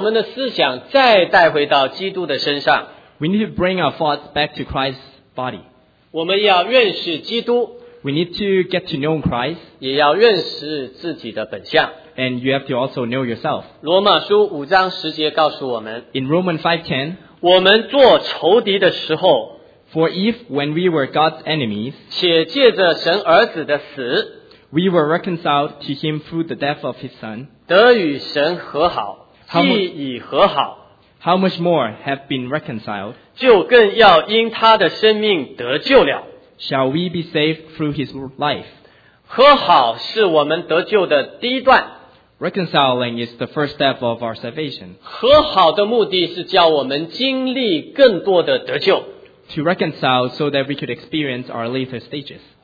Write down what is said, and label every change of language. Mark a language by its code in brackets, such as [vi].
[zh] 我们要把我们的思想再带回到基督的身上。 [en] We need to bring our thoughts back to Christ's body. [zh] 我们要认识基督。 [en] We need to get to know Christ. [zh] 也要认识自己的本相。 [en] And you have to also know yourself. [zh] 罗马书5章10节告诉我们, [en] In Romans 5:10, [zh] 我们做仇敌的时候, [en] For if when we were God's enemies, [zh] 且借着神儿子的死, [en] we were reconciled to him through the death of his son, [zh] 得与神和好, 既已和好, [en] how much more have been reconciled, [zh] 就更要因他的生命得救了, [en] shall we be saved through his life? [zh] 和好是我们得救的第一段, [en] reconciling is the first step of our salvation. [zh] 和好的目的是叫我们经历更多的得救。 [en] To reconcile so that we could experience our later stages.